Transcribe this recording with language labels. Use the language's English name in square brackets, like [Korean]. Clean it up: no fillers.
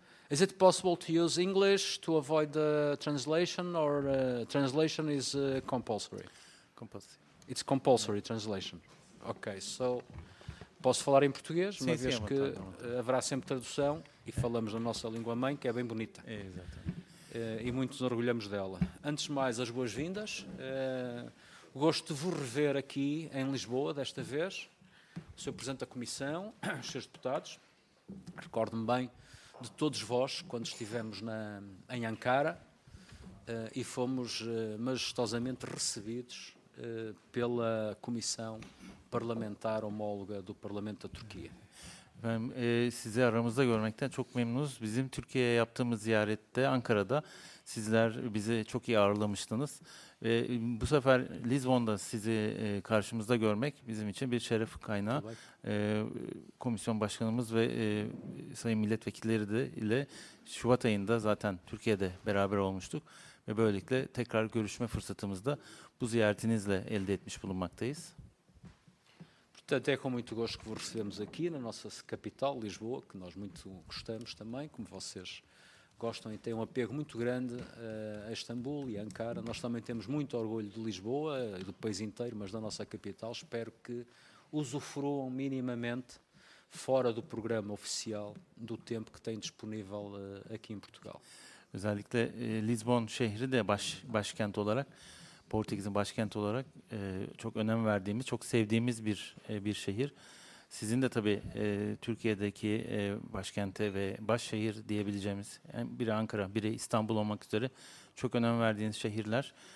[English] Is it possible to use English to avoid the translation, or translation is compulsory? Compulsory. It's compulsory, yeah. Translation. [Portuguese] Ok, so posso falar em português, sim, uma vez sim, que haverá sempre tradução e falamos na nossa língua mãe, que é bem bonita. É, exatamente. E muito nos orgulhamos dela. Antes de mais, as boas-vindas. Gosto de vos rever aqui em Lisboa, desta vez, o Sr. Presidente da Comissão, os seus deputados. Recordo-me bem de todos vós quando estivemos em Ankara e fomos majestosamente recebidos pela Comissão Parlamentar Homóloga do Parlamento da Turquia. [Turkish] Ben sizlerimiz de görmekten çok memnunuz. Bizim Türkiye'ye yaptığımız ziyarette Ankara'da sizler bizi çok iyi ağırlamıştınız. Ve bu sefer Lizbon'da sizi karşımızda görmek bizim için bir şeref kaynağı. Komisyon başkanımız ve sayın milletvekilleri de ile Şubat ayında zaten Türkiye'de beraber olmuştuk. Ve böylelikle tekrar görüşme fırsatımızda bu ziyaretinizle elde etmiş bulunmaktayız. [Portuguese] Portanto, é com muito gosto que vos recebemos aqui na nossa capital, Lisboa, que nós muito gostamos também, como vocês gostam e têm um apego muito grande a Istambul e a Ankara. Nós também temos muito orgulho de Lisboa, do país inteiro, mas da nossa capital. Espero que usufruam minimamente, fora do programa oficial, do tempo que têm disponível aqui em Portugal. [Turkish] Özellikle Lisbon şehri de başkent olarak, Portekiz'in başkenti olarak çok önem verdiğimiz, çok sevdiğimiz bir şehir. Sizin de tabii Türkiye'deki başkente ve başşehir diyebileceğimiz, yani biri Ankara, biri İstanbul olmak üzere çok önem verdiğiniz şehirler.